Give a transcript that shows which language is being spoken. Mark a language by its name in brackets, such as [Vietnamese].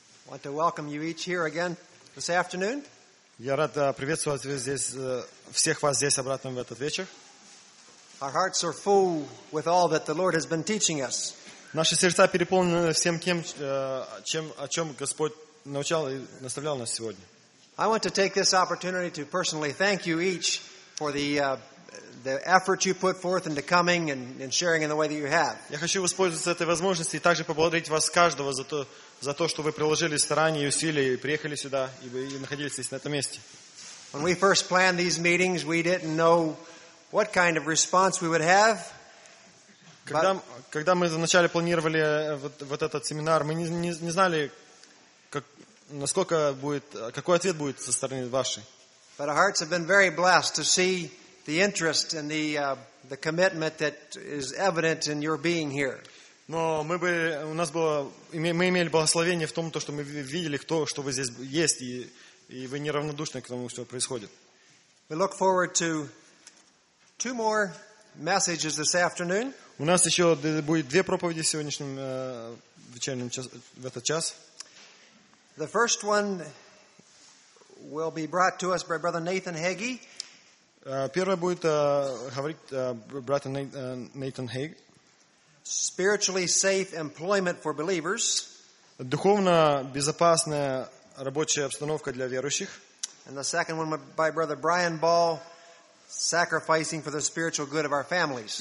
[English] like to welcome you each here again this afternoon. [Russian] Я рад приветствовать всех вас здесь обратно в этот вечер. [English] Our hearts are full with all that the Lord has been teaching us. [Russian] Наши сердца переполнены всем тем, о чем Господь научал и наставлял нас сегодня. [English] I want to take this opportunity to personally thank you each for the effort you put forth into coming and sharing in the way that you have. [Russian] Я хочу воспользоваться этой возможностью и также поблагодарить вас каждого за то, что вы приложили старания и усилия и приехали сюда и находились здесь на этом месте. [English] When we first planned these meetings, we didn't know what kind of response we would have. [Russian] Когда мы вначале планировали вот этот семинар, мы не знали, какой ответ будет со стороны вашей. [English] But our hearts have been very blessed to see the interest and the commitment that is evident in your being here. [Russian] Но мы имели благословение в том, что мы видели, что вы здесь есть, и вы неравнодушны к тому, что происходит. [English] We look forward to two more messages this afternoon. [Russian] У нас еще будет две проповеди в сегодняшнем вечернем в этот час. [English] The first one will be brought to us by Brother Nathan Hagee. [Russian] Первое будет говорить брат Нейтан Хейг. [English] Spiritually safe employment for believers. [Russian] Духовно безопасная рабочая обстановка для верующих. [English] And the second one by Brother Brian Ball, sacrificing for the spiritual good of our families.